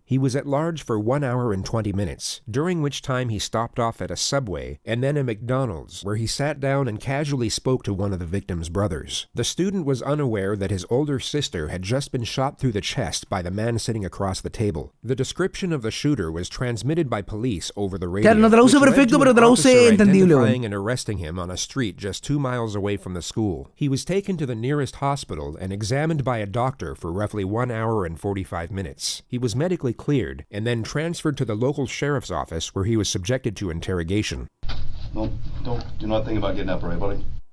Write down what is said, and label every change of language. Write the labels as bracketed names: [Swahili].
[English] He was at large for 1 hour and 20 minutes, during which time he stopped off at a Subway and then a McDonald's, where he sat down and casually spoke to one of the victim's brothers. The student was unaware that his older sister had just been shot through the chest by the man sitting across the table. The description of the shooter was transmitted by police over the radio. [Spanish] No te lo uso perfecto, pero te lo uso entendido. [English] Identifying and arresting him on a street just 2 miles away from the school. He was taken to the nearest hospital and examined by a doctor for roughly 1 hour and 45 minutes. He was medically cleared and then transferred to the local sheriff's office where he was subjected to interrogation. Do not think about getting up, right, buddy?